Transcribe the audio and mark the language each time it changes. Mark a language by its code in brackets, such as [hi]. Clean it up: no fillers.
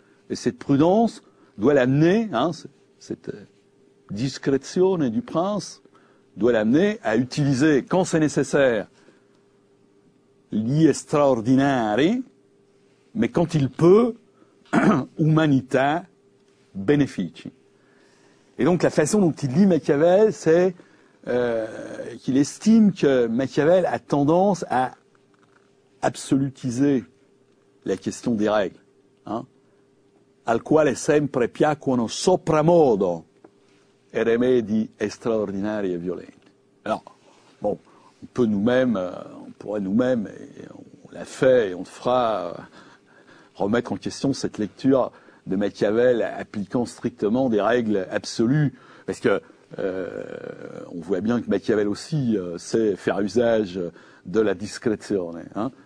[fr] Et cette prudence doit l'amener, hein, cette discrezione du prince doit l'amener à utiliser, quand c'est nécessaire, [it] gli extraordinari, [fr] mais quand il peut, [it] humanita benefici. [fr] Et donc la façon dont il lit Machiavel, c'est qu'il estime que Machiavel a tendance à absolutiser la question des règles. Hein. [it] Al quale sempre piacquono sopramodo e remedi straordinari e violenti. [fr] Alors, bon, on peut nous-mêmes, on pourrait nous-mêmes, et on l'a fait et on fera remettre en question cette lecture de Machiavel appliquant strictement des règles absolues, parce que on voit bien que Machiavel aussi sait faire usage de la discrezione. Hein.